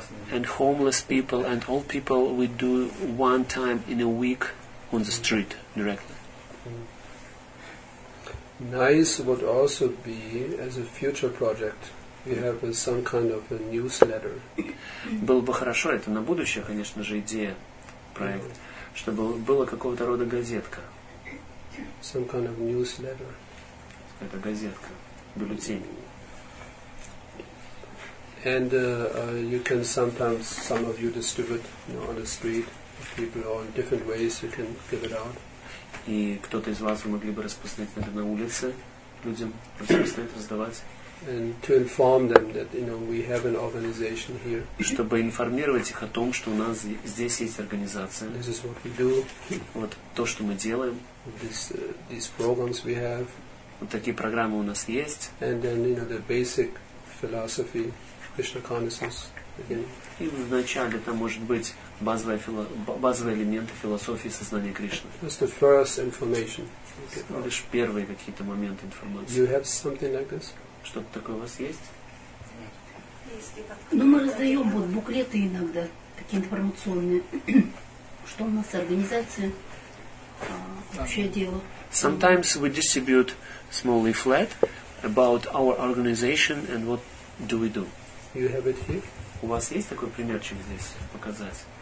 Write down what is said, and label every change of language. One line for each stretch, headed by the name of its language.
English: And homeless people and old people we do one time in a week on the street directly. Nice would also be as a future project. We have some kind of a newsletter.
Russian: Было бы хорошо, это на будущее, конечно же, идея, проект, чтобы было какого-то рода газетка.
English: Some kind of newsletter.
Russian: Это газетка, бюллетень.
English: And you can sometimes, some of you distribute, you know, on the street, people or in different ways you can give it out.
Russian: И кто-то из вас могли бы распространять это на улице людям, распространять, раздавать.
English: And to inform them that, you know, we have an organization here.
Russian: Чтобы информировать их о том, что у нас здесь есть организация.
English: This is what we do.
Russian: Вот то, что мы делаем.
English: These programs we have.
Russian: Вот такие программы у нас есть.
English: And then, you know, the basic philosophy, Krishna consciousness.
Russian: И вначале это может быть базовые элементы философии сознания Кришны.
English: That's the first information.
Russian: Лишь первые какие-то моменты информации.
English: You have something like this?
Russian: Что-то такое у вас есть? Ну, мы раздаем вот буклеты иногда, такие информационные, что у нас организация, общее дело.
English: Sometimes we distribute small leaflet about our organization and what do we do. You have it here?
Russian: У вас есть такой примерчик здесь показать?